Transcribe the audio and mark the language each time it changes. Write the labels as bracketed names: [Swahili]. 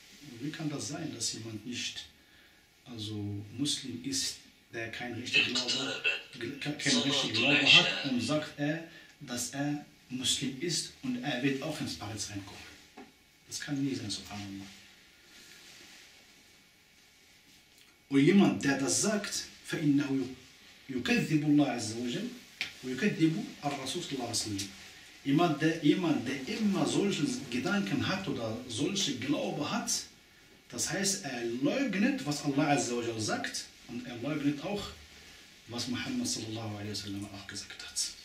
[German] Und wie kann das sein, dass jemand nicht also Muslim ist, der keinen richtigen Glauben hat und sagt, dass er Muslim ist und er wird auch ins Paradies reinkommen? Das kann nie sein, subhanallah. Und jemand, der das sagt, [Arabic] فَإِنَّهُ يُكَذِّبُ اللَّهِ عَزَّ وَجَلْ وَيُكَذِّبُ الرَّسُولُ صَلَّى اللَّهُ عَلَيْهِ وَسَلَّمَ. [German] Jemand, der immer solche Gedanken hat oder solche Glaube hat, das heißt, er leugnet, was Allah Azza wa Jalla sagt und er leugnet auch, was Muhammad sallallahu alaihi wa sallam auch gesagt hat.